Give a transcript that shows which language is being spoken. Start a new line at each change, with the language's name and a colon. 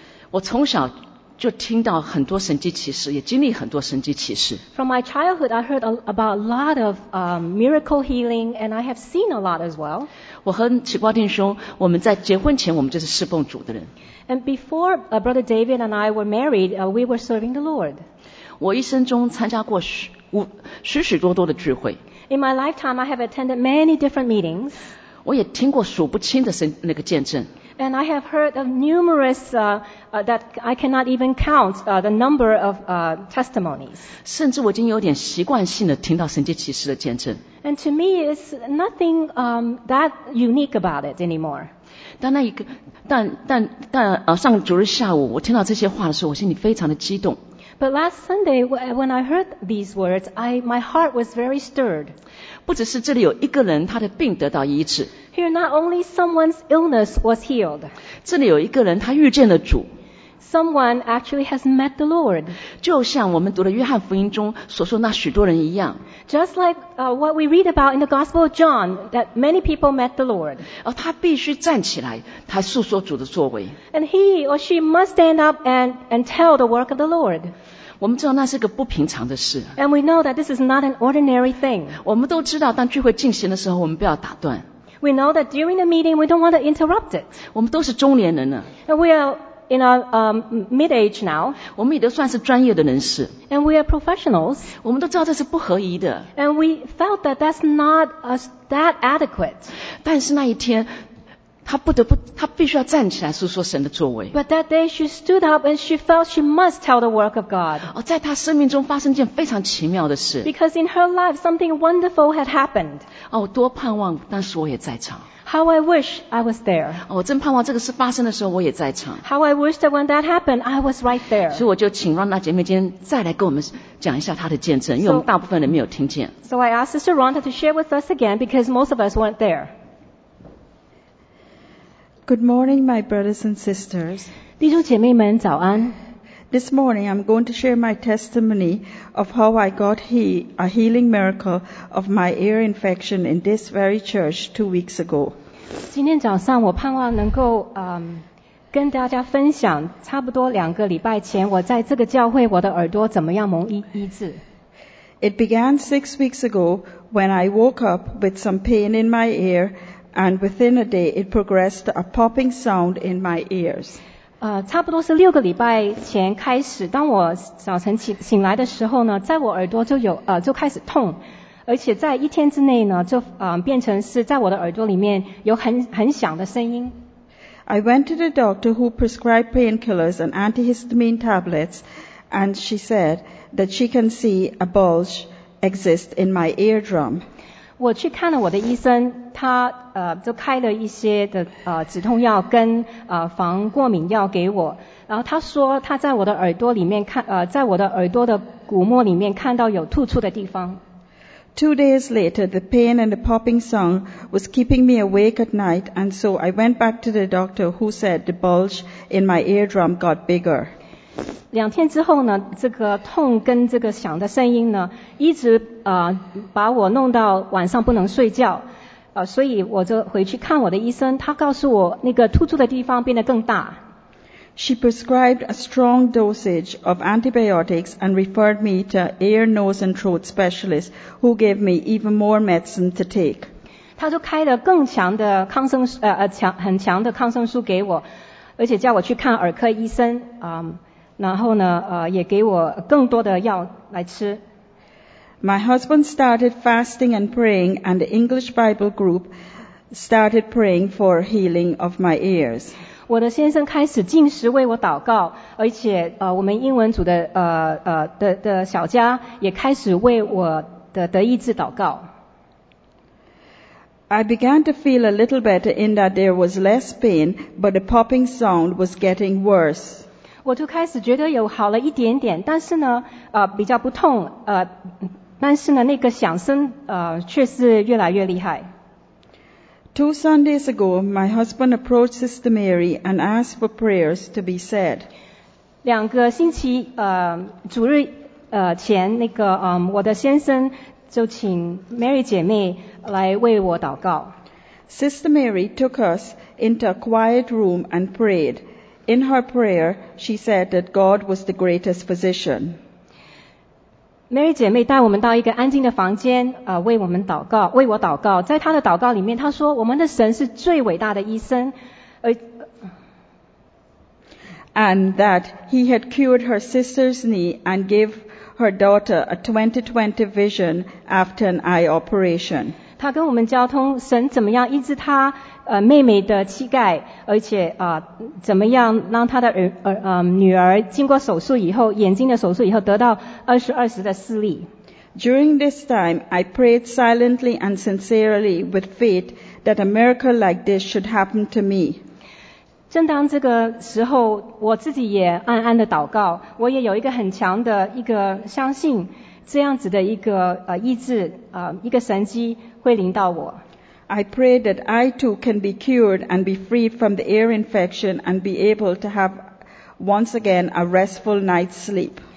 Chinese: 我从小就听到很多神迹奇事，也经历很多神迹奇事。
English: From my childhood, I heard about a lot of miracle healing, and I have seen a lot as well.
Chinese: 我和齐光定兄，我们在结婚前，我们就是侍奉主的人。
English: And before Brother David and I were married, we were serving the Lord.
Chinese: 我一生中参加过许多的聚会。
English: In my lifetime, I have attended many different meetings.
Chinese: 我也听过数不清的那个见证。
English: And I have heard of numerous that I cannot even count the number of testimonies.
Chinese: 甚至我已经有点习惯性的听到神迹奇事的见证。
English: And to me, it's nothing that unique about it anymore.
Chinese: 但上周日下午我听到这些话的时候，我心里非常的激动。
English: But last Sunday, when I heard these words, my heart was very stirred.
Chinese: 不只是这里有一个人他的病得到医治。
English: Here, not only someone's illness was healed.
Chinese: 这里有一个人他遇见了主。
English: Someone actually has met the Lord.
Chinese: 就像我们读的约翰福音中所说那许多人一样。
English: Just like what we read about in the Gospel of John, that many people met the Lord.
Chinese: 而他必须站起来，他诉说主的作为。
English: And he or she must stand up and tell the work of the Lord.
Chinese: 我们知道那是个不平常的事。
English: And we know that this is not an ordinary thing.
Chinese: 我们都知道，当聚会进行的时候，我们不要打断。
English: We know that during the meeting, we don't want to interrupt it.
Chinese: 我们都是中年人了。
English: And we are in our mid-age now.
Chinese: 我们也都算是专业的人士。
English: And we are professionals.
Chinese: 我们都知道这是不合宜的。
English: And we felt that that's not that adequate.
Chinese: 但是那一天他必须要站起来诉说神的作为。
English: But that day she stood up and she felt she must tell the work of God.
Chinese: 哦，在他生命中发生一件非常奇妙的事。
English: Because in her life something wonderful had happened.
Chinese: 哦，多盼望当时我也在场。
English: How I wish I was there.
Chinese: 哦，我真盼望这个事发生的时候我也在场。
English: How I wish that when that happened I was right there.
Chinese: 所以我就请Rhonda姐妹今天再来跟我们讲一下她的见证，因为我们大部分人没有听见。
English: So I asked Sister Rhonda to share with us again because most of us weren't there. Good morning, my brothers and sisters.
Chinese: 弟兄姐妹们早安。
English: This morning, I'm going to share my testimony of how I got a healing miracle of my ear infection in this very church 2 weeks ago.
Chinese: 今天早上我盼望能够跟大家分享差不多两个礼拜前我在这个教会我的耳朵怎么样蒙医治。
English: It began 6 weeks ago when I woke up with some pain in my ear,And within a day, it progressed a popping sound in my ears.
Chinese: 差不多是六个礼拜前开始，当我早晨醒来的时候呢，在我耳朵就有就开始痛，而且在一天之内呢，就变成是在我的耳朵里面有很响的声音。
English: I went to the doctor who prescribed painkillers and antihistamine tablets, and she said that she can see a bulge exist in my eardrum.
Chinese: 我去看了我的医生，他就开了一些的止痛药跟防过敏药给我，然后他说他在我的耳朵里面看在我的耳朵的鼓膜里面看到有突出的地方。
English: Two days later, the pain and the popping sound was keeping me awake at night, and so I went back to the doctor who said the bulge in my eardrum got bigger.
Chinese: 两天之后呢，这个痛跟这个响的声音呢，一直把我弄到晚上不能睡觉，所以我就回去看我的医生，他告诉我那个突出的地方变得更大。
English: She prescribed a strong dosage of antibiotics and referred me to ear, nose and throat specialist who gave me even more medicine to take.
Chinese: 他就开了更强的抗生素很强的抗生素给我，而且叫我去看耳科医生，然后呢也给我更多的药来吃。
English: My husband started fasting and praying and the English Bible group started praying for healing of my ears.
Chinese: 我的先生开始禁食为我祷告，而且我们英文组的小家也开始为我的得医治祷告。
English: I began to feel a little better in that there was less pain, but the popping sound was getting worse.
Chinese: 我就开始觉得有好了一点点，但是呢比较不痛，但是呢那个响声却是越来越厉害。
English: Two Sundays ago, my husband approached Sister Mary and asked for prayers to be said.
Chinese: 两个星期主日前，那个我的先生就请 Mary 姐妹来为我祷告。
English: Sister Mary took us into a quiet room and prayed. In her prayer, she said that God was the greatest physician.
Chinese: Mary 姐妹带我们到一个安静的房间，为我们祷告，为我祷告。在她的祷告里面，她说我们的神是最伟大的医生，
English: And that he had cured her sister's knee and gave her daughter a 20/20 vision after an eye operation.
Chinese: 她跟我们交通神怎么样医治她妹妹的膝盖，而且怎么样让她的女儿经过手术以后，眼睛的手术以后得到20/20的视力。
English: During this time, I prayed silently and sincerely with faith that a miracle like this should happen to me.
Chinese: 正当这个时候，我自己也暗暗的祷告，我也有一个很强的一个相信，这样子的一个医治一个神迹会临到我。
English: I pray that I too can be cured and be freed from the ear infection and be able to have once again a restful night's sleep.